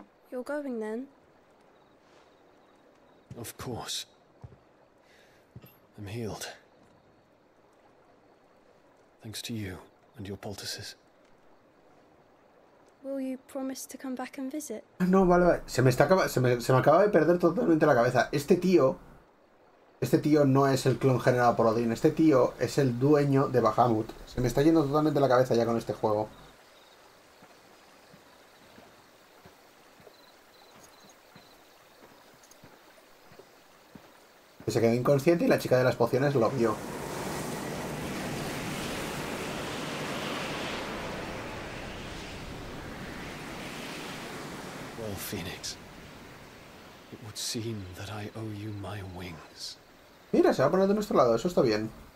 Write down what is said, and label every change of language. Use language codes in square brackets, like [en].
[en] You're going then? Of course. I'm healed. Thanks to you and your poultices. Will you promise to come back and visit? [es] No, vale, vale. Se me acaba de perder totalmente la cabeza. Este tío no es el clon generado por Odín. Este tío es el dueño de Bahamut. Se me está yendo totalmente la cabeza ya con este juego. Se quedó inconsciente y la chica de las pociones lo vio. [en] Well, Phoenix, it would seem that I owe you my wings. [es] Mira, se va a poner de nuestro lado, eso está bien.